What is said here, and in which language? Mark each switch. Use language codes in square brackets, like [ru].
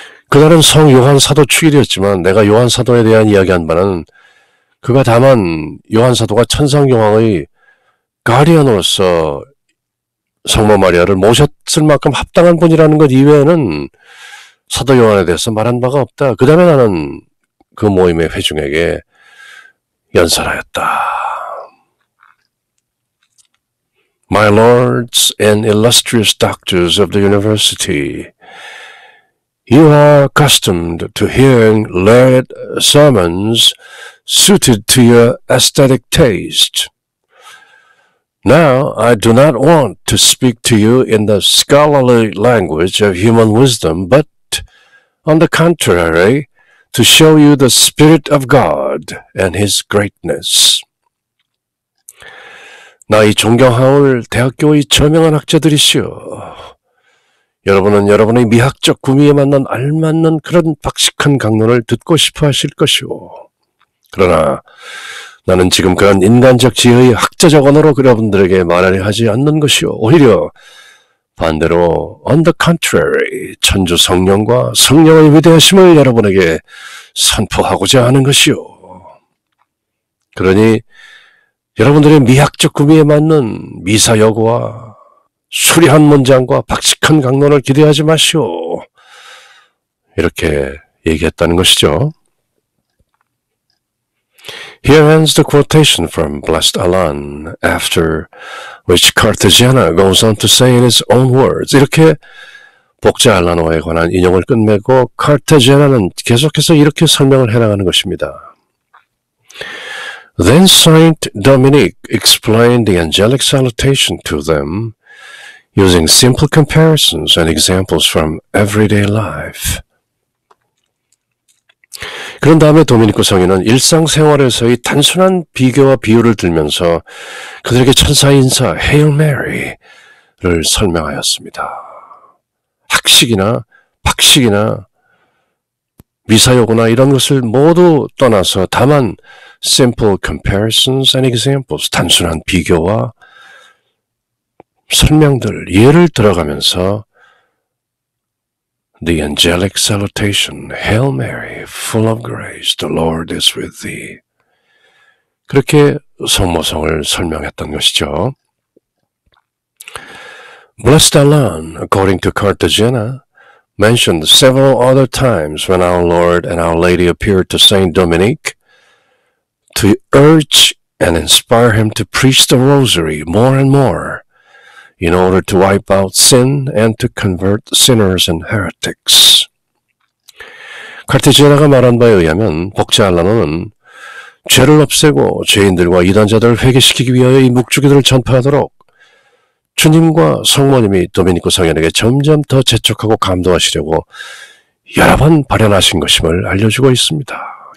[ko] 그날은 성 요한 사도 축일이었지만 내가 요한 사도에 대한 이야기한 바는 그가 다만 요한 사도가 천상 영광의 가디언으로서 성모 마리아를 모셨을 만큼 합당한 분이라는 것 이외에는 사도 요한에 대해서 말한 바가 없다. 그 다음에 나는 그 모임의 회중에게 연설하였다. [en] My lords and illustrious doctors of the university, you are accustomed to hearing learned sermons suited to your aesthetic taste. Now, I do not want to speak to you in the scholarly language of human wisdom, but, on the contrary, to show you the Spirit of God and His greatness. [ko] 나 이 존경하올 대학교의 저명한 학자들이시오. 여러분은 여러분의 미학적 구미에 맞는 알맞는 그런 박식한 강론을 듣고 싶어 하실 것이오. 그러나 나는 지금 그런 인간적 지혜의 학자적 언어로 여러분들에게 말하려 하지 않는 것이오. 오히려 반대로 [en] on the contrary, [ko] 천주 성령과 성령의 위대하심을 여러분에게 선포하고자 하는 것이오. 그러니 여러분들의 미학적 구미에 맞는 미사여구와 수리한 문장과 박식한 강론을 기대하지 마시오. 이렇게 얘기했다는 것이죠. [en] Here ends the quotation from Blessed Alain, after which Cartagena goes on to say in his own words. [ko] 이렇게 복자 알라노에 관한 인용을 끝내고 카르타제나는 계속해서 이렇게 설명을 해나가는 것입니다. [en] Then Saint Dominique explained the angelic salutation to them using simple comparisons and examples from everyday life. [ko] 그런 다음에 도미니코 성인은 일상생활에서의 단순한 비교와 비유를 들면서 그들에게 천사 인사 Hail Mary를 설명하였습니다. 학식이나 박식이나 미사여구나 이런 것을 모두 떠나서 다만 [en] simple comparisons and examples, [ko] 단순한 비교와 설명들, 예를 들어가면서 [en] The angelic salutation, Hail Mary, full of grace, the Lord is with thee. [ko] 그렇게 성모성을 설명했던 것이죠. [en] Blessed Alain, according to Cartagena, mentioned several other times when our Lord and our Lady appeared to Saint Dominique to urge and inspire him to preach the rosary more and more in order to wipe out sin and to convert sinners and heretics. [ko] 카르타제나가 말한 바에 의하면 복자 알라노는 죄를 없애고 죄인들과 이단자들을 회개시키기 위하여 이 묵주기도를 전파하도록 주님과 성모님이 도미니코 성현에게 점점 더 재촉하고 감동하시려고 여러 번 발현하신 것임을 알려주고 있습니다.